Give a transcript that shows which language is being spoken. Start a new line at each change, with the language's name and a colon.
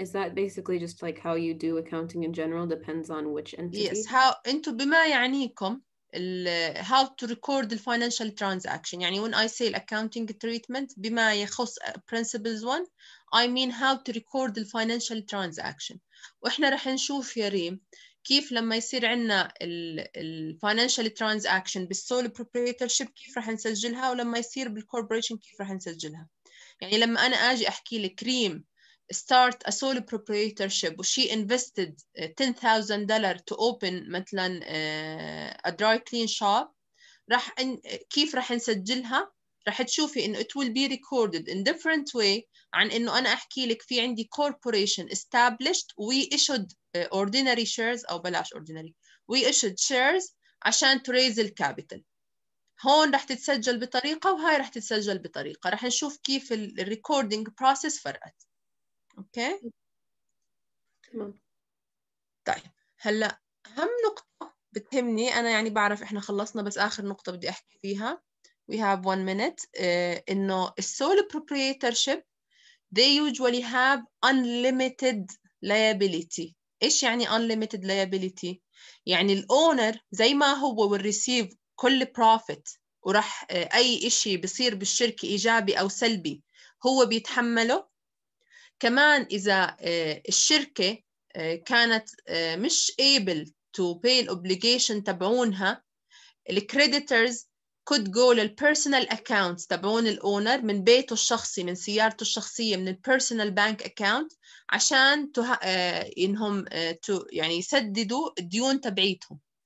English: Is that basically just like how you do accounting in general? Depends on which entity? Yes. How into بما يعنيكم how to record the financial transaction. يعني when I say accounting treatment, بما يخص principles one, I mean how to record the financial transaction.
Arabic: وإحنا رح نشوف يا ريم كيف لما يصير عنا ال financial transaction بالسول proprietorship كيف رح نسجلها، ولما يصير بالcorporation كيف رح نسجلها. يعني لما أنا أجي أحكي لك ريم start a sole proprietorship وشي invested $10,000 to open مثلا a dry clean shop، رح كيف رح نسجلها؟ رح تشوفي إنه
English: it will be recorded in different way
Arabic: عن إنه أنا أحكي لك في عندي corporation established
English: we issued ordinary shares
Arabic: أو بلاش ordinary we issued shares عشان
English: to raise the capital.
Arabic: هون رح تتسجل بطريقة وهاي رح تتسجل بطريقة، رح نشوف كيف ال recording process فرقت. أوكي
English: okay.
Arabic: طيب هلا أهم نقطة بتهمني أنا، يعني بعرف إحنا خلصنا بس آخر نقطة بدي أحكي فيها.
English: We have 1 minute. إنه sole proprietorship they usually have unlimited liability.
Arabic: إيش يعني unlimited liability؟ يعني الأونر زي ما هو will receive كل profit ورح أي إشي بصير بالشركة إيجابي أو سلبي هو بيتحمله. كمان إذا الشركة كانت مش
English: able to pay the obligation
Arabic: تبعونها، the creditors could go to the personal accounts تبعون الأونر من بيته الشخصي من سيارته الشخصية من the personal bank account عشان إنهم يعني يسددوا الديون تبعيتهم.